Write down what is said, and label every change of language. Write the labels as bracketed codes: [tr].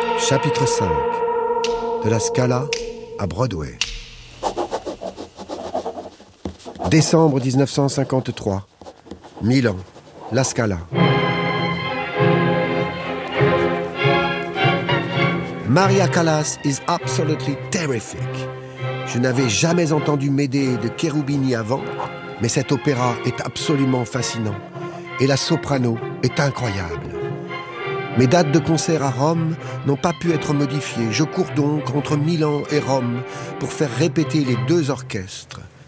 [fr] Chapitre 5. De la Scala à Broadway. Décembre 1953, Milan, La Scala. [en] Maria Callas is absolutely terrific. [fr] Je n'avais jamais entendu Médée de Cherubini avant, mais cet opéra est absolument fascinant et la soprano est incroyable. Mes dates de concert à Rome n'ont pas pu être modifiées. Je cours donc entre Milan et Rome pour faire répéter les deux orchestres.